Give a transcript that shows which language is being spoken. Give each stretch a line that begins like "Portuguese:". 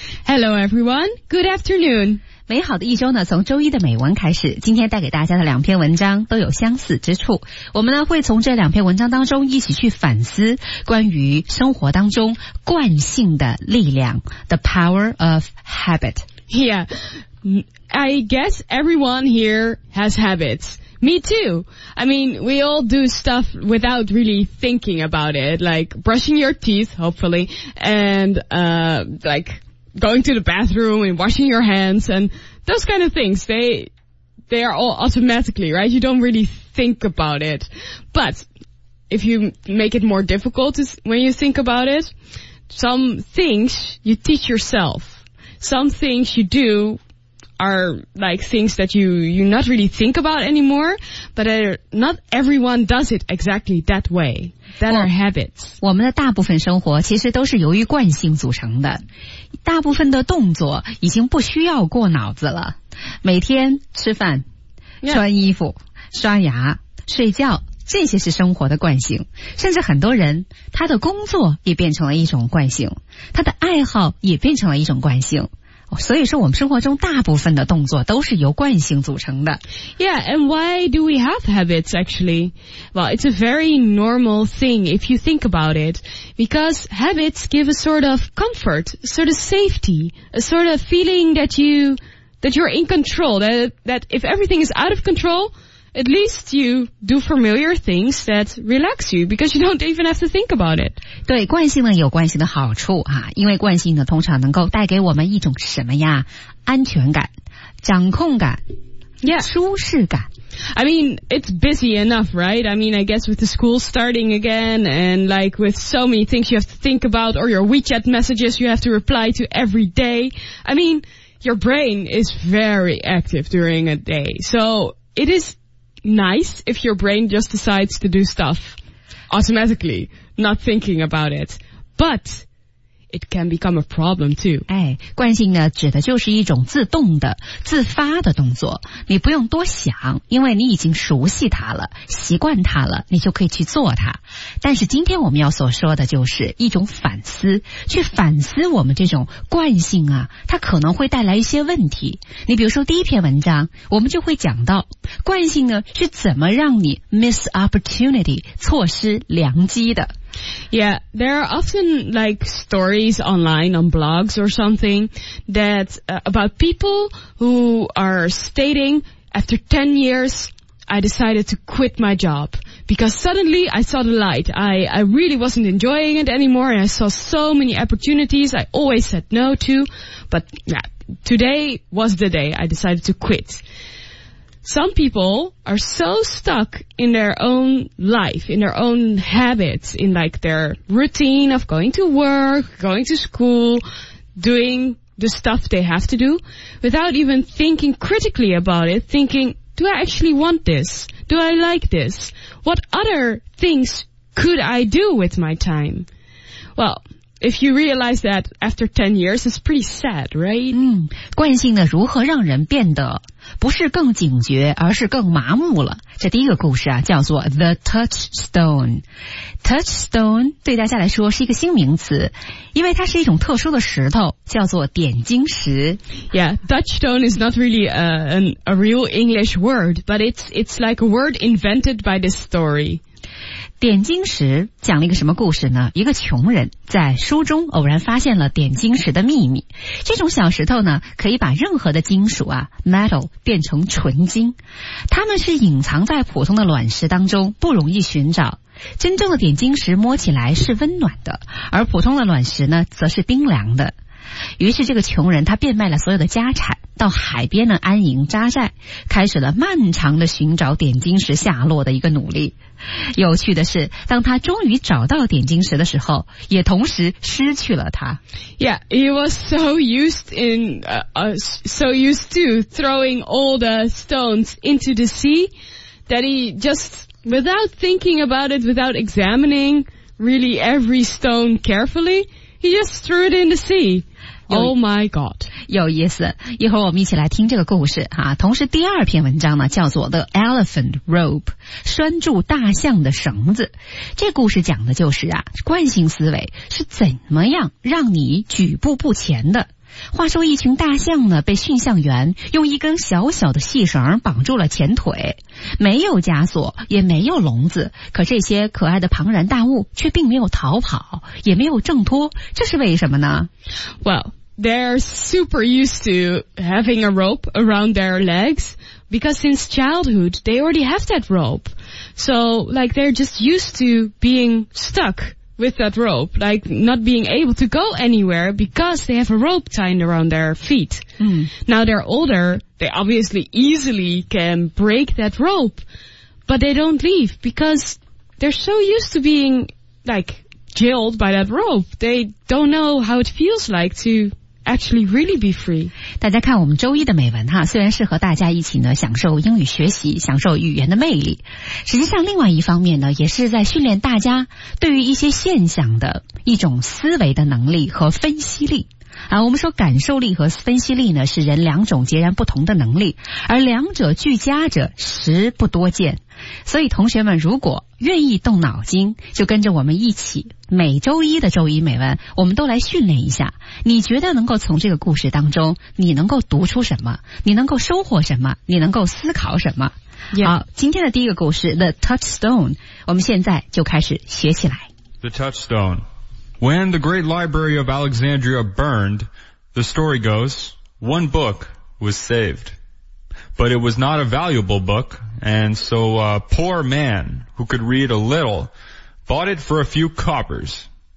English: Hello everyone, good afternoon。
Chinese: 美好的一周呢，从周一的美文开始。今天带给大家的两篇文章都有相似之处，我们呢会从这两篇文章当中一起去反思关于生活当中惯性的力量
English: The power of habit。 Yeah, I guess everyone here has habits. Me too. I mean, we all do stuff without really thinking about it, like brushing your teeth, hopefully, and likegoing to the bathroom and washing your hands and those kind of things. They are all automatically, right? You don't really think about it. But if you make it more difficult when you think about it, some things you teach yourself. Some things you do are like things that you not really think about anymore, but not everyone does it exactly that way. That are habits.
Chinese: 我们的大部分生活其实都是由于惯性组成的，大部分的动作已经不需要过脑子了，每天吃饭、
English: yeah.
Chinese: 穿衣服、刷牙、睡觉，这些是生活的惯性，甚至很多人他的工作也变成了一种惯性，他的爱好也变成了一种惯性，所以说我们生活中大部分的动作都是由惯性组成的。
English: Yeah, and why do we have habits actually? Well, it's a very normal thing if you think about it, because habits give a sort of comfort, a sort of safety, a sort of feeling that you're in control, that if everything is out of control, at least you do familiar things that relax you, because you don't even have to think about it.
Chinese: 对，惯性呢有惯性的好处啊，因为惯性呢通常能够带给我们一种什么呀？安全感、掌控感、
English: yeah.
Chinese: 舒适感。
English: I mean, it's busy enough, right? I mean, I guess with the school starting again and like with so many things you have to think about or your WeChat messages you have to reply to every day. I mean, your brain is very active during a day. So it isNice if your brain just decides to do stuff automatically, not thinking about it. But it can become a problem too.
Chinese: 哎，惯性呢，指的就是一种自动的、自发的动作。你不用多想，因为你已经熟悉它了，习惯它了，你就可以去做它。但是今天我们要所说的就是一种反思，去反思我们这种惯性啊，它可能会带来一些问题。你比如说第一篇文章，我们就会讲到惯性呢是怎么让你
English: miss opportunity
Chinese: 错失良机的。
English: Yeah, there are often like stories online on blogs or something that, about people who are stating, after 10 years, I decided to quit my job because suddenly I saw the light. I really wasn't enjoying it anymore and I saw so many opportunities I always said no to, but yeah, today was the day I decided to quit. Some people are so stuck in their own life, in their own habits, in like their routine of going to work, going to school, doing the stuff they have to do, without even thinking critically about it, thinking, do I actually want this? Do I like this? What other things could I do with my time? Well,If you realize that after 10 years, it's pretty sad, right?
Chinese: 嗯，惯性呢，如何让人变得不是更警觉，而是更麻木了？这第一个故事啊，叫做 The Touchstone。Touchstone 对大家来说是一个新名词，因为它是一种特殊的石头，叫做点睛石。
English: Yeah, Touchstone is not really a real English word, but it's like a word invented by this story.
Chinese: 点睛石讲了一个什么故事呢？一个穷人在书中偶然发现了点睛石的秘密。这种小石头呢，可以把任何的金属啊 ,metal, 变成纯金。它们是隐藏在普通的卵石当中，不容易寻找。真正的点睛石摸起来是温暖的，而普通的卵石呢，则是冰凉的。于是这个穷人他变卖了所有的家产，到海边呢安营扎寨，开始了漫长的寻找点睛石下落的一个努力。有趣的是，当他终于找到点睛石的时候，也同时失去了它。
English: Yeah, he was so used in, so used to throwing all the stones into the sea that he just, without thinking about it, without examining really every stone carefully, he just threw it in the sea. Oh my god.
Chinese: 有意思。一会儿我们一起来听这个故事啊。同时第二篇文章呢叫做 The Elephant Rope, 拴住大象的绳子。这故事讲的就是啊，惯性思维是怎么样让你举步不前的。话说一群大象呢被驯象员用一根小小的细绳绑住了前腿，没有枷锁也没有笼子，可这些可爱的庞然大物却并没有逃跑也没有挣脱，这是为什么呢？
English: Well, they're super used to having a rope around their legs because since childhood they already have that rope. So like they're just used to being stuckwith that rope, like not being able to go anywhere because they have a rope tied around their feet. Mm. Now they're older, they obviously easily can break that rope, but they don't leave because they're so used to being like jailed by that rope. They don't know how it feels like to... Actually, really be free.
Chinese: 大家看我们周一的美文哈，虽然是和大家一起呢享受英语学习，享受语言的魅力，实际上另外一方面呢，也是在训练大家对于一些现象的一种思维的能力和分析力。啊，我们说感受力和分析力呢，是人两种截然不同的能力，而两者俱佳者实不多见。所以同学们如果愿意动脑筋，就跟着我们一起，每周一的周一美文，我们都来训练一下。你觉得能够从这个故事当中，你能够读出什么？你能够收获什么？你能够思考什么？
English: Yeah.
Chinese: 好，今天的第一个故事 The Touchstone, 我们现在就开始学起来。
English: The Touchstone. When the Great Library of Alexandria burned, the story goes, one book was saved. But it was not a valuable book, and so a poor man, who could read a little, bought it for a few coppers.